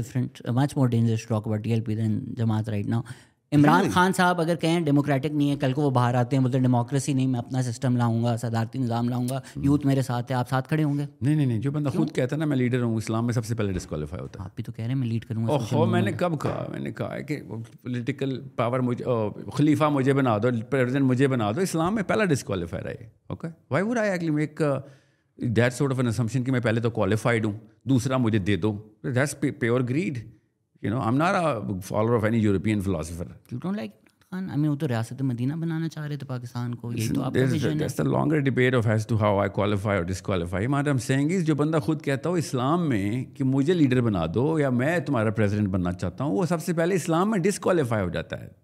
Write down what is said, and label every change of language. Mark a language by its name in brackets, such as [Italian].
[English] different, much more dangerous to talk about TLP than Jamaat right now. [Urdu] Imran [English] really? [Urdu] Khan صاحب اگر کہیں democratic نہیں ہے, کل کو وہ باہر آتے ہیں بولتے ہیں ڈیموکریسی نہیں, میں اپنا سسٹم لاؤں گا, صدارتی نظام لاؤں گا, یوتھ میرے ساتھ ہے, آپ ساتھ کھڑے ہوں گے؟ نہیں نہیں نہیں, جو بندہ خود کہتا ہے نا میں لیڈر ہوں, اسلام میں سب سے پہلے ڈسکوالیفائی ہوتا ہے. آپ بھی تو کہہ رہے ہیں میں لیڈ کروں گا. اوہ, میں نے کب کہا؟ میں نے کہا ہے کہ پولیٹیکل پاور خلیفہ مجھے بنا دو, پریزیڈنٹ مجھے بنا دو, اسلام میں پہلا ڈسکوالیفائی رہے. [English] okay, why would I actually make that sort of an assumption [Urdu] کہ میں پہلے تو کوالیفائڈ ہوں, دوسرا مجھے دے دو؟ [English] That's pure grade. You know, I'm not a follower of any European philosopher. You don't like Khan? I mean, [Urdu] وہ تو ریاست مدینہ بنانا چاہ رہے تھے پاکستان کو, یہی تو آپ کا ویژن ہے. [English] There's a longer debate of as to how I qualify or disqualify. What I'm saying is, [Urdu] جو بندہ خود کہتا ہو اسلام میں کہ مجھے لیڈر بنا دو یا میں تمہارا پریزیڈنٹ بننا چاہتا ہوں, وہ سب سے پہلے اسلام میں ڈسکوالیفائی ہو جاتا ہے.